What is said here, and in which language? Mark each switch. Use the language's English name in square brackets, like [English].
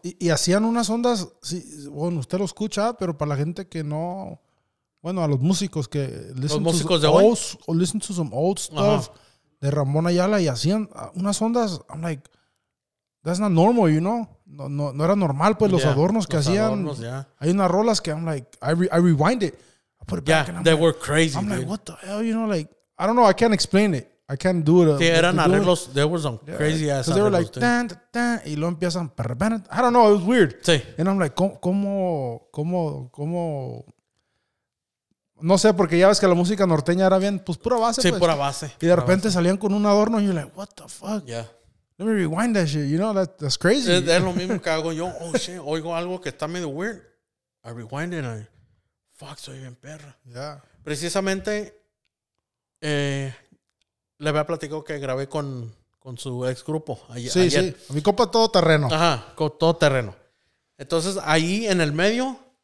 [Spanish] Y hacían unas ondas, sí, bueno, usted lo escucha, pero para la gente que no. Bueno, a los músicos que... [English] Listen, [Spanish] los músicos de hoy. O [English] listen to some old stuff. Ajá. [Spanish] De Ramón Ayala y hacían unas ondas. [English] I'm like, that's not normal, you know? [Spanish] No era normal, pues, los adornos que los hacían. Adornos, hay unas rolas que [English] I'm like, I rewind it. I put it back and I'm they like, were crazy, I'm dude. Like, what the hell, you know? Like, I don't know. I can't explain it. I can't do it. [Spanish] Sí, eran arreglos. [English] There were some crazy ass arreglos. They were like, tan, tan, [Spanish] y luego empiezan. [English] I don't know. It was weird. [Spanish] Sí. [English] And I'm like, [Spanish] ¿cómo? No sé, porque ya ves que la música norteña era bien, pues pura base. Sí, pues, pura base. Y de repente salían con un adorno y [English] you're like, what the fuck? Yeah. Let me rewind that shit, you know, that's crazy. [Spanish] Es lo mismo que hago yo, [English] oh shit, [Spanish] oigo algo que está medio weird. [English] I rewind it and I, fuck, [Spanish] soy bien perra. [English] Yeah. [Spanish] Precisamente, le había platicado que grabé con su ex grupo. Sí, ayer. Mi compa todo terreno. Ajá, con todo terreno. Entonces, ahí en el medio...